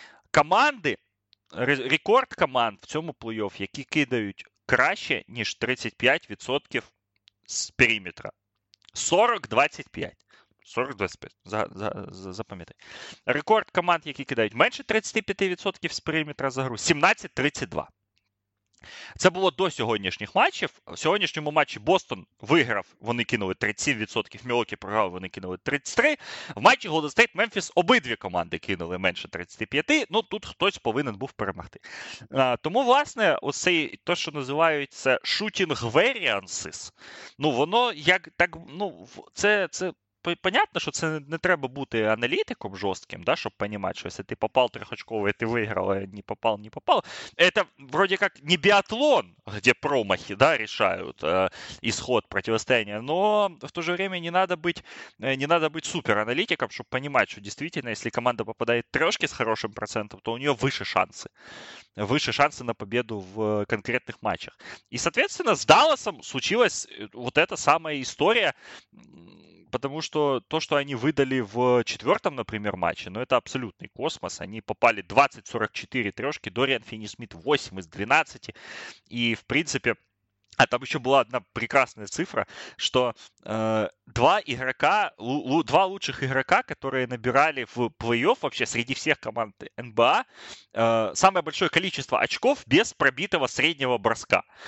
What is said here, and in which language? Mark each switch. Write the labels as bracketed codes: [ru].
[uk] Команди, рекорд команд в цьому плей-офф, які кидають краще, ніж 35% з периметра. 40-25. 40-25, запам'ятай. Рекорд команд, які кидають менше 35% з периметра за гру, 17-32. Це було до сьогоднішніх матчів. В сьогоднішньому матчі Бостон виграв, вони кинули 37%, Мілокі програв, вони кинули 33%. В матчі Golden State Memphis обидві команди кинули менше 35%. Ну, тут хтось повинен був перемогти. Тому, власне, оце те, що називається [en] shooting variances, [uk] ну, воно, як так, ну, це понятно, що це не треба бути аналітиком жорстким, да, щоб розуміти, що якщо ти попав трьохочково, ти виграв, а не попав, не попав. Це, вроді як, не біатлон, де промахи, да, рішають ісход протистояння, але в той же час не треба бути супераналітиком, щоб розуміти, що дійсно, якщо команда попадає в трьошки з хорошим процентом, то у неї вище шанси. Вище шанси на победу в конкретних матчах. І, відповідно, з Далласом [ru] случилась вот эта самая [uk] історія. [ru] Потому что то, что они выдали в четвертом, например, матче, ну, это абсолютный космос. Они попали 20-44 трешки, Дориан Финни-Смит 8 из 12. И, в принципе, а там еще была одна прекрасная цифра, что два лучших игрока, которые набирали в плей-офф вообще среди всех команд НБА, самое большое количество очков без пробитого среднего броска.